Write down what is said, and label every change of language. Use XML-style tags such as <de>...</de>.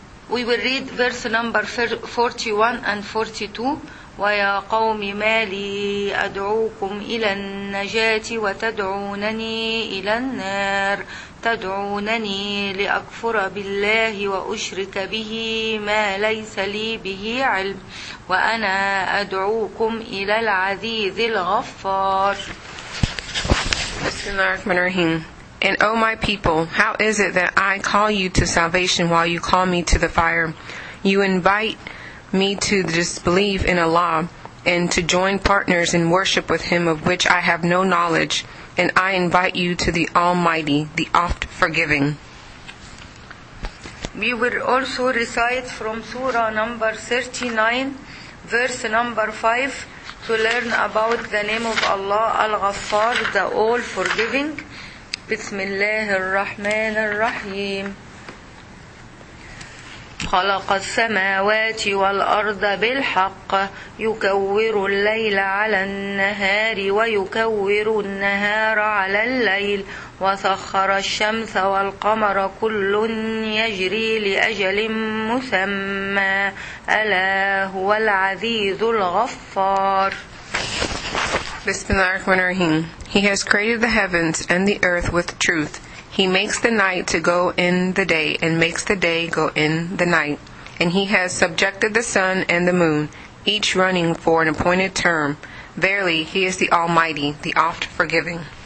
<en>We will read verse number 41 and 42.</en> <ar>ويا قوم ما لي أدعوكم إلى النجاة وتدعونني إلى النار تدعونني لأكفر بالله وأشرك به ما ليس لي به علم وأنا أدعوكم إلى العزيز الغفار. بسم الله الرحمن الرحيم.</ar> <en>And O my people, how is it that I call you to salvation while you call me to the fire? You invite me to disbelief in Allah and to join partners in worship with him of which I have no knowledge, and I invite you to the Almighty, the Oft Forgiving. We will also recite from Surah number 39, verse number 5, to learn about the name of Allah Al-Ghaffar, the All Forgiving.</en> <ar>Bismillah ar-Rahman ar-Rahim. خلق السماوات والأرض بالحق يكور الليل على النهار ويكور النهار على الليل وسخر الشمس والقمر كل يجري لأجل مسمى ألا هو العزيز الغفار. بسم الله الرحمن الرحيم.</ar> <en>He has created the heavens and the earth with truth. He makes the night to go in the day, and makes the day go in the night. And he has subjected the sun and the moon, each running for an appointed term. Verily, he is the Almighty, the Oft-Forgiving.</en>